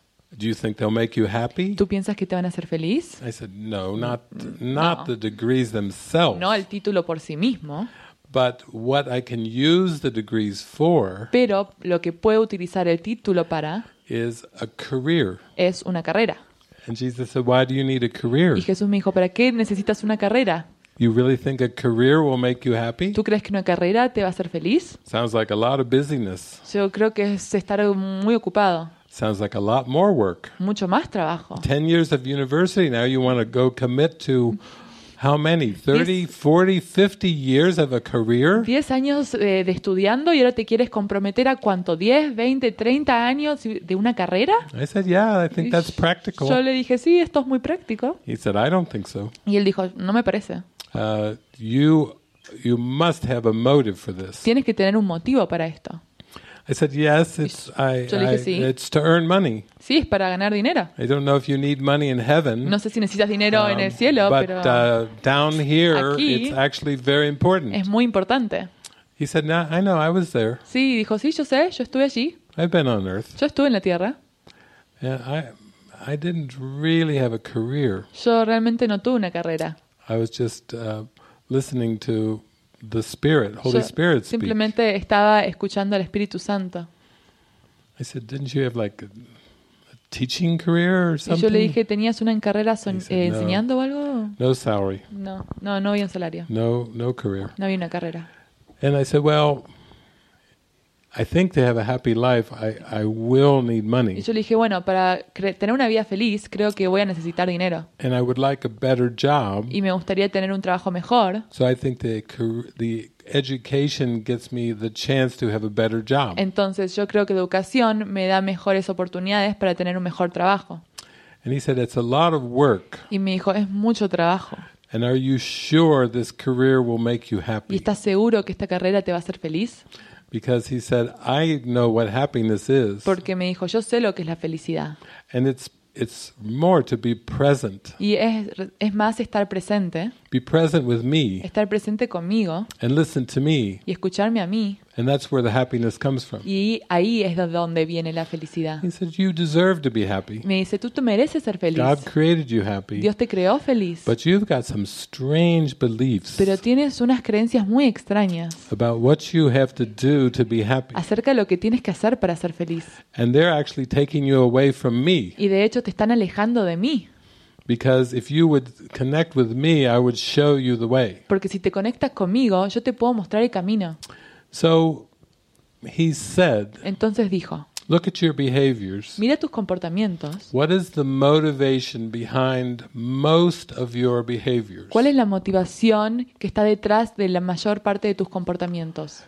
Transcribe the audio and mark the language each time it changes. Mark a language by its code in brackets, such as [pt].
[en] Do you think they'll make you happy? [es] ¿Tú piensas que te van a hacer feliz? [en] I said, no, not the degrees themselves. [es] No, el título por sí mismo. [en] But what I can use the degrees for. [es] Pero lo que puedo utilizar el título para [en] is a career. [es] Es una carrera. [en] And Jesus said, why do you need a career? [es] Y Jesús me dijo, ¿para qué necesitas una carrera? [en] You really think a career will make you happy? [es] ¿Tú crees que una carrera te va a hacer feliz? [en] Sounds like a lot of busyness. [es] Yo creo que es estar muy ocupado. [en] Sounds like a lot more work. [es] Mucho más trabajo. [en] 10 years of university, now you want to go commit to how many? 30, 40, 50 years of a career? [es] 10 años de estudiando y ahora te quieres comprometer a cuánto? 10, 20, 30 años de una carrera? [en] I said, yeah, I think that's practical. [es] Yo le dije, sí, esto es muy práctico. [en] He said, I don't think so. [es] Y él dijo, no me parece. [en] You must have a motive for this. [es] Tienes que tener un motivo para esto. [en] I said yes. It's it's to earn money. [es] Sí, es para ganar dinero. [en] I don't know if you need money in heaven. [es] No sé si necesitas dinero en el cielo, [en] but, [es] pero [en] down here, aquí, it's actually very important. [es] Es muy importante. [en] He said, "No, I know. I was there." [es] Sí, dijo, sí, yo sé, yo estuve allí. [en] I've been on Earth. [es] Yo estuve en la Tierra. [en] Yeah, I didn't really have a career. [es] Yo realmente no tuve una carrera. [en] I was just listening to. The Spirit, Holy Spirit. [es] Simplemente estaba escuchando al Espíritu Santo. [en] I said, "Didn't you have like a teaching career or something?" [es] Y yo le dije, "¿Tenías una carrera enseñando o algo?" [en] No salary. [es] No había un salario. [en] No career. [es] No había una carrera. [en] And I said, "Well, I think to have a happy life, I will need money." [es] Y yo le dije, "Bueno, para tener una vida feliz, creo que voy a necesitar dinero." [en] And I would like a better job. [es] Y me gustaría tener un trabajo mejor. [en] So I think the education gets me the chance to have a better job. [es] Entonces, yo creo que la educación me da mejores oportunidades para tener un mejor trabajo. [en] And he said, "It's a lot of work." [es] Y me dijo, "Es mucho trabajo." [en] And are you sure this career will make you happy? [es] ¿Y estás seguro que esta carrera te va a hacer feliz? [en] Because he said, "I know what happiness is." [es] Porque me dijo, yo sé lo que es la felicidad. [en] And it's more to be present. [es] Y es más estar presente. [en] Be present with me. [es] Estar presente conmigo. [en] And listen to me. [es] Y escucharme a mí. [en] And that's where the happiness comes from. [es] Y ahí es de donde viene la felicidad. [en] He said, "You deserve to be happy." [es] Me dice, tú te mereces ser feliz. [en] God created you happy. [es] Dios te creó feliz. [en] But you've got some strange beliefs. [es] Pero tienes unas creencias muy extrañas. [en] About what you have to do to be happy. [es] Acerca de lo que tienes que hacer para ser feliz. [en] And they're actually taking you away from me. [es] Y de hecho te están alejando de mí. [en] Because if you would connect with me, I would show you the way. [es] Porque si te conectas conmigo, yo te puedo mostrar el camino. [en] So he said. [es] Entonces dijo. [en] Look at your behaviors. [es] Mira tus comportamientos. [en] What is the motivation behind most of your behaviors? [es] ¿Cuál es la motivación que está detrás de la mayor parte de tus comportamientos?